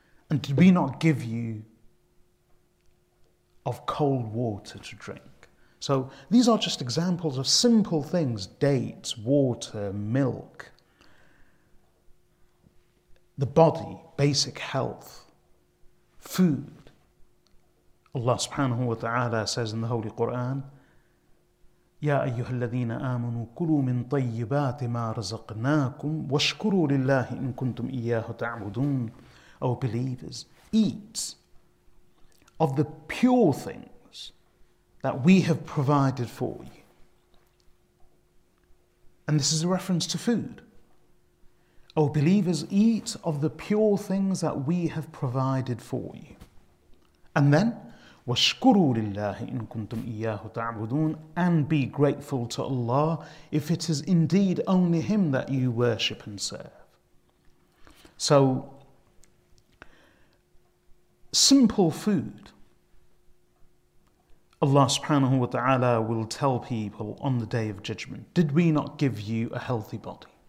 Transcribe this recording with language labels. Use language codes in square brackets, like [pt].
[en] And did we not give you of cold water to drink? So these are just examples of simple things, dates, water, milk, the body, basic health, food. Allah subhanahu wa ta'ala says in the Holy Quran, [ar] يَا أَيُّهَا الَّذِينَ آمَنُوا كُلُوا مِنْ طَيِّبَاتِ مَا رَزَقْنَاكُمْ وَاشْكُرُوا لِلَّهِ إِن كُنْتُمْ إِيَّاهُ تَعْبُدُونَ. [en] O believers, eat of the pure thing that we have provided for you. And this is a reference to food. O believers, eat of the pure things that we have provided for you. And then, [ar] وَشْكُرُوا لِلَّهِ إِن كُنْتُمْ إِيَّاهُ تَعْبُدُونَ. [en] And be grateful to Allah if it is indeed only Him that you worship and serve. So, simple food. Allah subhanahu wa ta'ala will tell people on the day of judgment, did we not give you a healthy body?